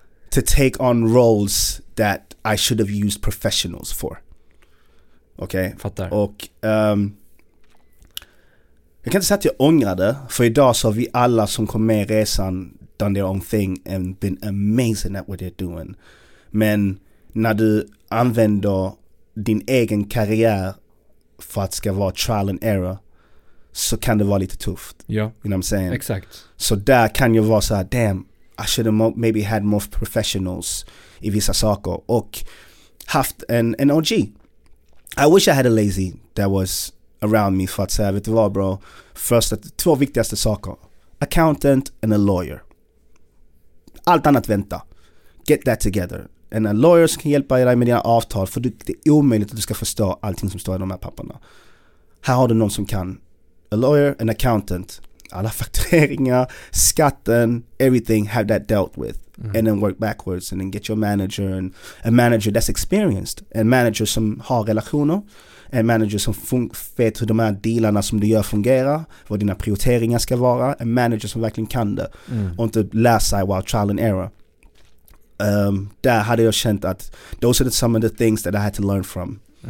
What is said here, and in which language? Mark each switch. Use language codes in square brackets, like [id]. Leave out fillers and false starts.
[en] To take on roles that I should have used professionals for. [sv] Okej? Okay? Fattar. Och jag kan inte säga att jag ångrar det, för idag så har vi alla som kom med resan [en] done their own thing and been amazing at what they're doing. [sv] Men när du använder din egen karriär för att ska vara trial and error, så kan det vara lite tufft. Ja. [en] You know what I'm saying? [sv] Exakt. Så där kan jag vara så här, [en] damn, I should have maybe had more professionals [sv] i vissa saker, och haft en OG. [en] I wish I had a lazy that was around me [sv] för att säga, vet du vad bro, första, två viktigaste saker, [en] accountant and a lawyer. [sv] Allt annat vänta. [en] Get that together. And a lawyer [sv] som kan hjälpa dig med dina avtal, för det är omöjligt att du ska förstå allting som står i de här papperna. Här har du någon som kan. [en] A lawyer, an accountant. [sv] Alla faktureringar, skatten, [en] everything, have that dealt with. And then work backwards and then get your manager. And a manager that's experienced. [sv] En manager som har relationer. En manager som vet hur de här dealarna som du gör fungerar. Vad dina prioriteringar ska vara. En manager som verkligen kan det. Och inte lär sig while trial and error. Där hade jag känt att [en] those are some of the things that I had to learn from.